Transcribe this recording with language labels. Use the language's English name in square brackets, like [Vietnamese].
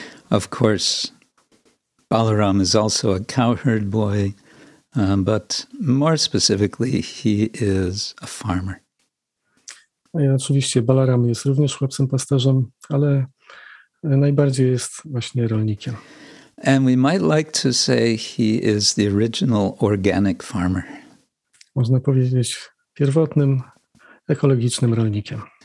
[English] Of course, Balaram is also a cowherd boy, but more specifically, he is a farmer. [Polish] Oczywiście Balaram jest również chłopcem pasterzem, ale najbardziej jest właśnie rolnikiem. [English] And we might like to say he is the original organic farmer. [Polish] Można powiedzieć pierwotnym ekologicznym rolnikiem.